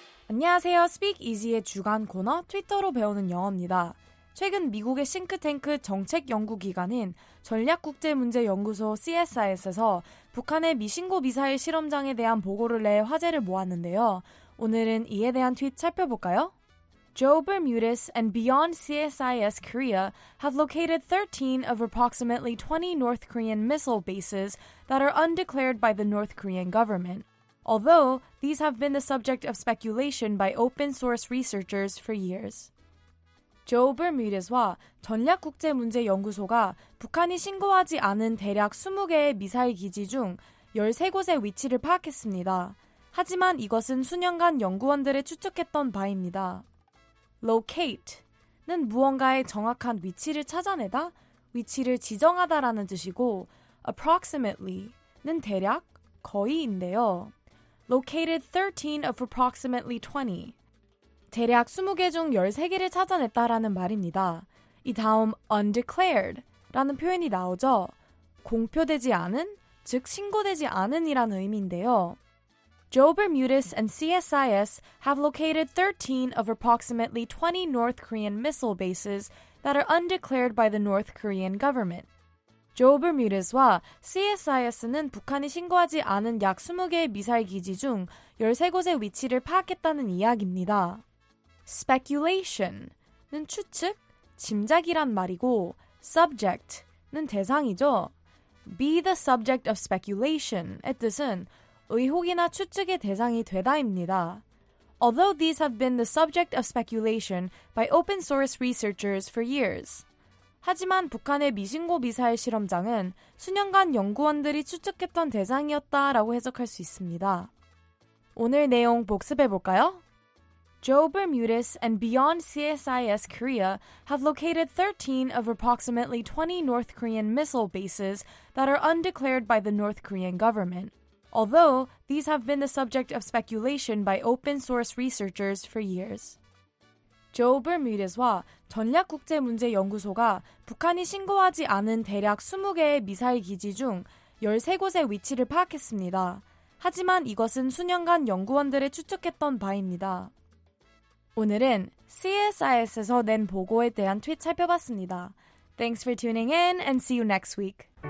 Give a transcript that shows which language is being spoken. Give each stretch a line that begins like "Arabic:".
Korean: 안녕하세요. Speak Easy의 주간 코너 트위터로 배우는 영어입니다. 최근 미국의 싱크탱크 정책연구기관인 전략국제문제연구소 CSIS에서 북한의 미신고 미사일 실험장에 대한 보고를 내 화제를 모았는데요. 오늘은 이에 대한 트윗 살펴볼까요?
English: Joe Bermudez and Beyond CSIS Korea have located 13 of approximately 20 North Korean missile bases that are undeclared by the North Korean government, although these have been the subject of speculation by open-source researchers for years.
Korean: Joe Bermudez와 전략국제문제연구소가 북한이 신고하지 않은 대략 20개의 미사일 기지 중 13곳의 위치를 파악했습니다. 하지만 이것은 수년간 연구원들의 추측했던 바입니다. Locate는 무언가의 정확한 위치를 찾아내다, 위치를 지정하다라는 뜻이고 approximately는 대략, 거의인데요.
English: Located 13 of approximately 20.
Korean: 대략 20개 중 13개를 찾아냈다라는 말입니다. 이 다음 undeclared라는 표현이 나오죠. 공표되지 않은, 즉 신고되지 않은이라는 의미인데요.
English: Joe Bermudez and CSIS have located 13 of approximately 20 North Korean missile bases that are undeclared by the North Korean government.
Korean: Joe Bermudez와 CSIS는 북한이 신고하지 않은 약 20개의 미사일 기지 중 13곳의 위치를 파악했다는 이야기입니다. Speculation는 추측, 짐작이란 말이고 subject는 대상이죠.
English: Be the subject of speculation
Korean: 의 뜻은 의혹이나 추측의 대상이 되다입니다.
English: Although these have been the subject of speculation by open source researchers for years.
Korean: 하지만 북한의 미신고 미사일 실험장은 수년간 연구원들이 추측했던 대상이었다라고 해석할 수 있습니다. 오늘 내용 복습해 볼까요?
English: Joe Bermudez and Beyond CSIS Korea have located 13 of approximately 20 North Korean missile bases that are undeclared by the North Korean government, although these have been the subject of speculation by open-source researchers for years.
Korean: Joe Bermudez와 전략국제문제연구소가 북한이 신고하지 않은 대략 20개의 미사일 기지 중 13곳의 위치를 파악했습니다. 하지만 이것은 수년간 연구원들의 추측했던 바입니다. 오늘은 CSIS에서 낸 보고에 대한 트윗 살펴봤습니다.
English: Thanks for tuning in and see you next week.